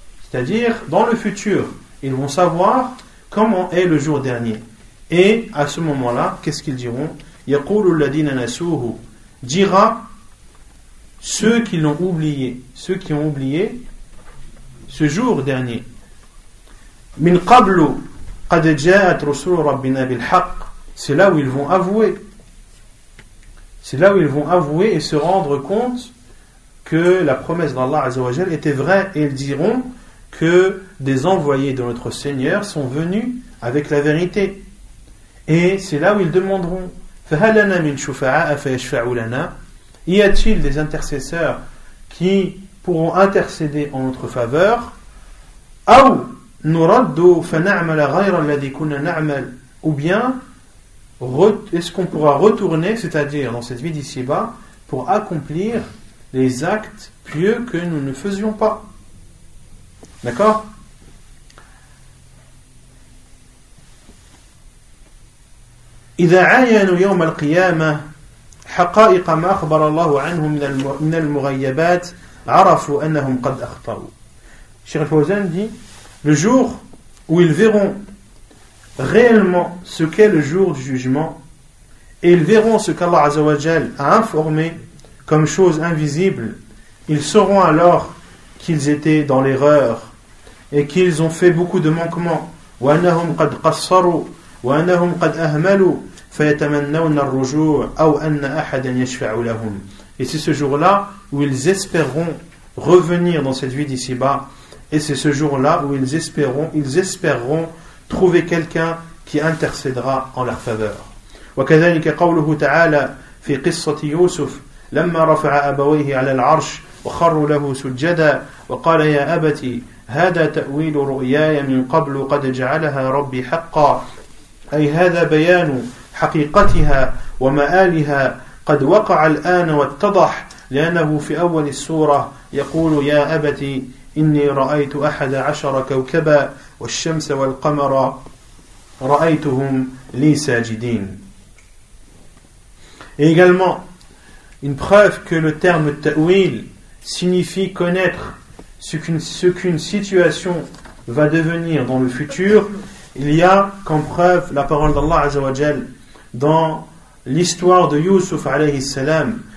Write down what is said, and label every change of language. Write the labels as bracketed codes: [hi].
[fr] C'est-à-dire, dans le futur, ils vont savoir comment est le jour dernier. Et à ce moment-là, qu'est-ce qu'ils diront ? [ar] يَقُولُ الَّذِينَ نَسُوهُ [fr] dira ceux qui l'ont oublié, ceux qui ont oublié ce jour dernier. [ar] مِنْ قَبْلُ قَدْ جَاءَتْ رُسُولُ رَبِّنَا بِالْحَقِّ [fr] c'est là où ils vont avouer. C'est là où ils vont avouer et se rendre compte que la promesse d'Allah Azzawajal était vraie. Et ils diront que des envoyés de notre Seigneur sont venus avec la vérité. Et c'est là où ils demanderont « [ar] فَهَلَنَا مِنْ شُفَعَاءَ فَيَشْفَعُ لَنَا [fr] » Y a-t-il des intercesseurs qui pourront intercéder en notre faveur ?« [ar] أَوْ نُرَدُّ فَنَعْمَلَ غَيْرَ الَّذِي كُنَّ نَعْمَلَ [fr] » Ou bien, est-ce qu'on pourra retourner, c'est-à-dire dans cette vie d'ici-bas, pour accomplir les actes pieux que nous ne faisions pas ? D'accord ? [ar] إذا عاينوا يوم القيامة حقائق ما أخبر الله عنهم من المغيبات عرفوا أنهم قد أخطأوا. [fr] Cheikh Fawzan dit, le jour où ils verront réellement ce qu'est le jour du jugement, et ils verront ce qu'Allah Azzawajal a informé comme chose invisible, ils sauront alors qu'ils étaient dans l'erreur et qu'ils ont fait beaucoup de manquements. [ar] وأنهم قد قصروا وأنهم قد أهملوا فيتمنون الرجوع أو أن أحدا يشفع لهم. [fr] Et c'est ce jour-là où ils espéreront revenir dans cette vie d'ici-bas, et c'est ce jour-là où ils espéreront trouver quelqu'un qui intercédera en leur faveur. [ar] وكذلك قوله تعالى في قصة يوسف لما رفع أبويه على العرش وخروا له سجدا وقال يا أبتي هذا تأويل رؤياي من قبل قد جعلها ربي حقا أي هذا بيان حقيقتها ومآلها قد وقع الآن واتضح لأنه في أول السورة يقول يا أبتي إني رأيت أحد عشر كوكبا والشمس والقمر رأيتهم لي ساجدين. [fr] Et également, une preuve que le terme ta'wil signifie connaître ce qu'une situation va devenir dans le futur, il y a comme preuve la parole d'Allah Azzawajal dans l'histoire de Yusuf alayhi salam.